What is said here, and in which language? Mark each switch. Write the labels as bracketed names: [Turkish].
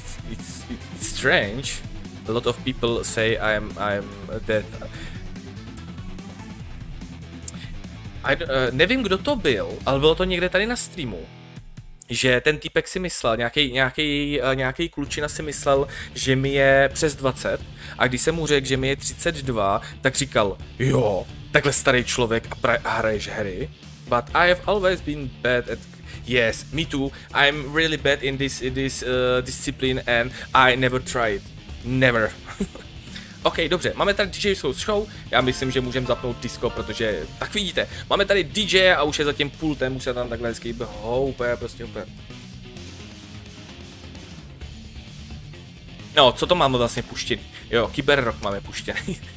[English] It's strange. A lot of people say I'm dead. [Czech] Nevím, kdo to byl, ale bylo to někde tady na streamu, že ten týpek si myslel, nějaký klučina si myslel, že mi je přes 20. A když jsem mu řekl, že mi je 32, tak říkal, jo, takhle starý člověk a hraješ hry. [English] But I have always been bad at... Yes, me too. I'm really bad in this discipline and I never tried. Never. [Czech] Ok, dobře, máme tady DJ svou show, já myslím, že můžeme zapnout disco, protože, tak vidíte, máme tady DJ a už je za tím pultem, už se tam takhle hezky houpe, prostě úplně. No, co to máme vlastně puštěný? Jo, kyberrock máme puštěný.